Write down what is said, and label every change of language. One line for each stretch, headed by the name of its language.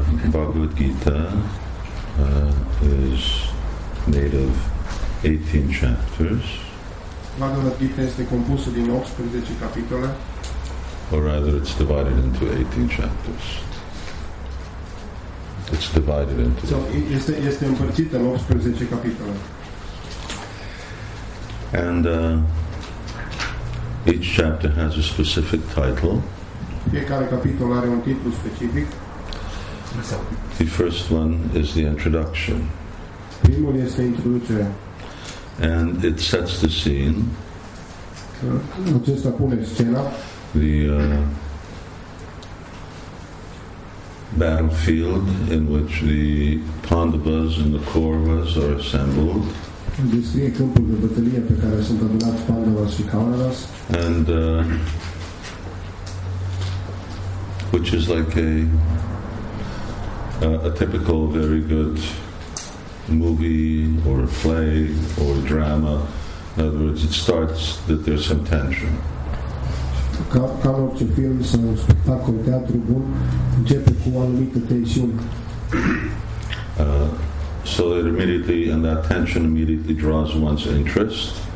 English: Bhagavad Gita is made of 18 chapters.
Italian: Bhagavad Gita è composto di 18 capitoli.
English: Or rather, it's divided into 18 chapters. It's divided into.
Romanian: Este împărțit în 18 capitole.
English: And each chapter has a specific title.
Romanian: Fiecare capitol are un titlu specific.
English: The first one is the introduction.
Romanian: Primul este introducerea.
English: And it sets the scene.
Romanian: Acesta pune scena.
English: The battlefield in which the Pandavas and the Kauravas are assembled.
Romanian: Descrie câmpul de bătălie pe care sunt adunați Pandavas și Kauravas.
English: And which is like a typical very good movie or a play or a drama. In other words, it starts that there's some tension.
Romanian: Ca orice film sau spectacol, teatru bun, începe cu o anumită tensiune.
English: So it immediately, and that tension immediately draws one's interest.